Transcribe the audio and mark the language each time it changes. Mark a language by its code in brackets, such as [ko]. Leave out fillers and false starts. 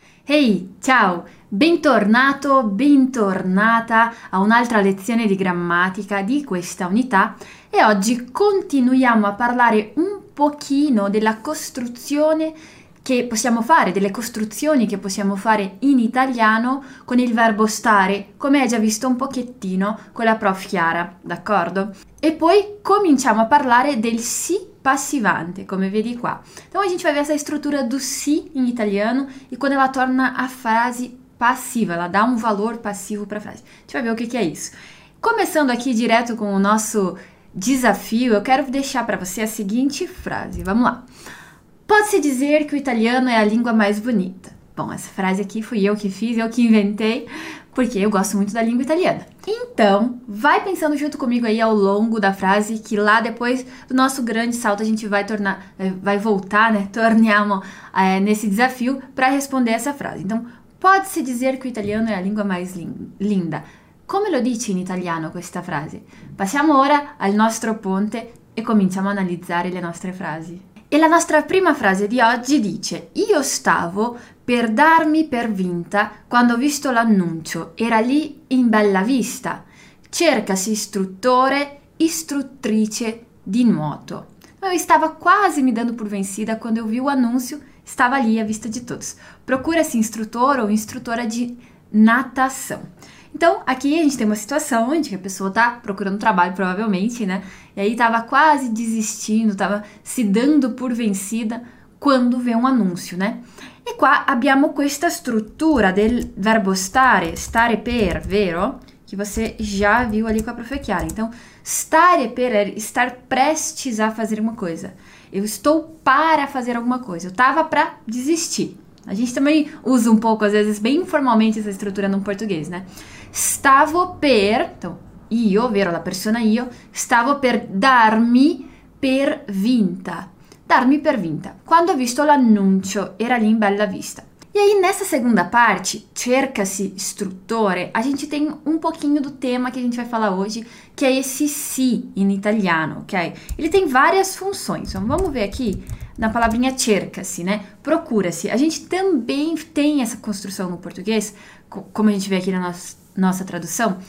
[it] Ehi, ciao, bentornato, bentornata a un'altra lezione di grammatica di questa unità e oggi continuiamo a parlare un pochino della costruzione che possiamo fare, delle costruzioni che possiamo fare in italiano con il verbo stare, come hai già visto un pochettino con la prof Chiara, d'accordo? E poi cominciamo a parlare del sì passivante, come vedi qua. [pt] Então a gente vai ver essa estrutura do si em italiano e quando ela torna a frase passiva, ela dá um valor passivo para a frase. A gente vai ver o que que é isso. Começando aqui direto com o nosso desafio, eu quero deixar para você a seguinte frase. Vamos lá. Pode-se dizer que o italiano é a língua mais bonita. Bom, essa frase aqui fui eu que fiz, eu que inventei, porque eu gosto muito da língua italiana. Então, vai pensando junto comigo aí ao longo da frase, que lá depois do nosso grande salto a gente vai tornar, vai voltar, né? [it] Torniamo, [pt] nesse desafio para responder essa frase. Então, pode-se dizer que o italiano é a língua mais linda. [it] Come lo dici in italiano questa frase? Passiamo ora al nostro ponte e cominciamo a analizzare le nostre frasi. E la nostra prima frase di oggi dice: io stavo per darmi per vinta quando ho visto l'annuncio, era lì in Bella Vista. Cercasi istruttore, istruttrice di nuoto. [pt] Eu estava quase me dando por vencida quando eu vi o anúncio, estava ali à vista de todos. Procura-se instrutor ou instrutora de natação. Então, aqui a gente tem uma situação onde a pessoa está procurando trabalho, provavelmente, né? E aí estava quase desistindo, estava se dando por vencida quando vê um anúncio, né? [it] E qua abbiamo questa struttura del verbo stare, stare per, vero? [pt] Che você già viu ali com a prof. Chiara. Então, stare per è estar prestes a fazer uma coisa. Eu estou para fazer alguma coisa. Eu tava para desistir. A gente também usa um pouco, às vezes, bem informalmente essa estrutura no português, né? [it] Stavo per, [pt] então, [it] io, vero, la persona io, stavo per darmi per vinta. Darmi per vinta. Quando ho visto l'annuncio, era lì in Bella Vista. [pt] E aí, nessa segunda parte, cerca-se istruttore, a gente tem um pouquinho do tema que a gente vai falar hoje, que é esse si in italiano, ok? Ele tem várias funções. Então, vamos ver aqui na palavrinha cerca-se, né? Procura-se. A gente também tem essa construção no português, como a gente vê aqui na nossa tradução.